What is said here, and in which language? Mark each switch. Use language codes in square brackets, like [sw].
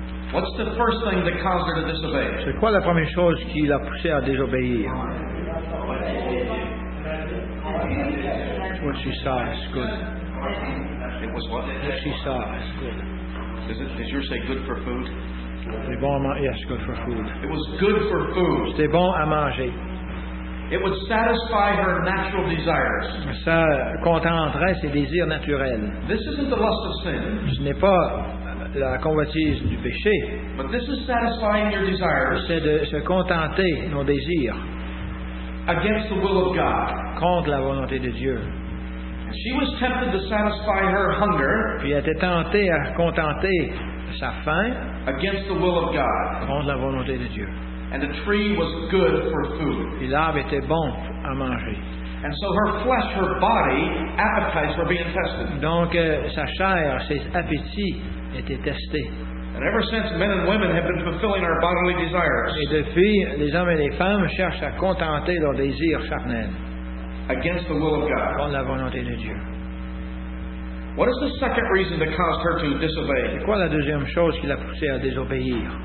[en] What's the first thing that caused her to disobey? [fr] C'est quoi la première chose qui l'a poussée à désobéir? [en] What she saw is good. It was what? What she saw is good. Does yours say good for food? [fr] C'est bon à manger. [en] Yes, good for food. It was good for food. [fr] C'était bon à manger. [en] It would satisfy her natural desires. [fr] Ça contenterait ses désirs naturels. [en] This isn't the lust of sin. [fr] Ce n'est pas la convoitise du péché. [en] But this is satisfying your desires. [fr] C'est de se contenter nos désirs. [en] Against the will of God. [fr] Contre la volonté de Dieu. [en] She was tempted to satisfy her hunger. [fr] Puis elle était tentée à contenter sa faim. [en] Against the will of God. [fr] Contre la volonté de Dieu. [en] And the tree was good for food. [fr] Et l'arbre était bon à manger. [en] And so her flesh, her body, appetites were being tested. [fr] Donc sa chair, ses appétits étaient testés. [en] And ever since men and women have been fulfilling our bodily desires. [fr] Et depuis, les hommes et les femmes cherchent à contenter leurs désirs charnels. [en] Against the will of God. [fr] Contre la volonté de Dieu. [en] What is the second reason that caused her to disobey? [fr] C'est quoi la deuxième chose qui l'a poussée à désobéir?